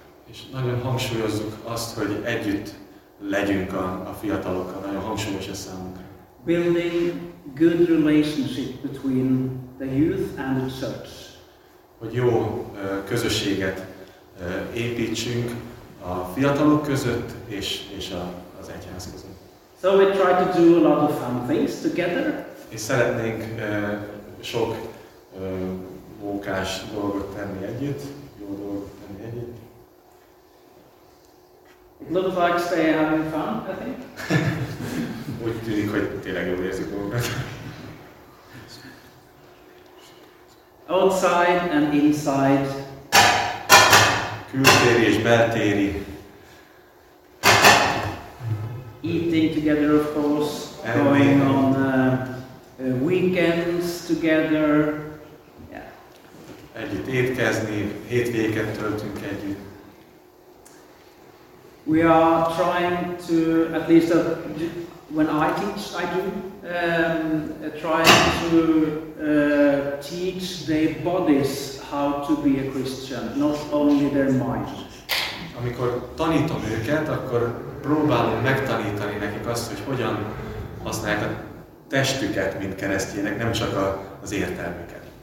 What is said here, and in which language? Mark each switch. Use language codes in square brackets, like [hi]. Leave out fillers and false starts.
[hu] És nagyon hangsúlyozzuk azt, hogy együtt legyünk a fiatalokkal, nagyon hangsúlyos ez számunkra. [en] Building good relationship between the youth and the church. [hu] Hogy jó közösséget építsünk a fiatalok között és az egyház között. [en] So we try to do a lot of fun things together. [hu] És szeretnénk sok mókás dolgot tenni együtt, jó dolgot tenni együtt. [en] It looks like they are having fun, I think. [hu] Úgy tűnik, hogy tényleg jól érzik magukat. [en] Outside and inside. [hu] Külteri és beltéri. [en] Eating together, of course. And going on weekends together. Yeah. [hu] Együtt étkezni, hétvégeket töltünk együtt. [en] We are trying to, at least when I teach, I do, trying to teach their bodies how to be a Christian, not only their mind. [hu] Amikor tanítom őket, akkor próbálom megtanítani nekik azt, hogy hogyan használják a testüket, mint keresztjének, nem csak az értelmüket.